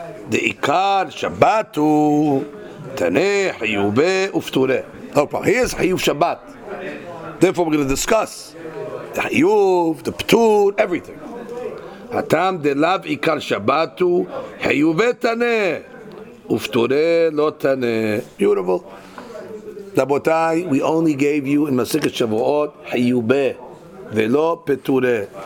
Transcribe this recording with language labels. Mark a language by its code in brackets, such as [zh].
[he] דעיקר שבת הוא תנה חיובי ופתורי. [en] Here's חיוב שבת. Therefore we're going to discuss the חיוב, the פתור, everything. [he] הטעם דלאו עיקר שבת הוא חיובי תנה ופתורי לא תנה. [en] Beautiful. [he] רבותיי, [en] we only gave you in [he] מסכת שבועות חיובי ולא פתורי.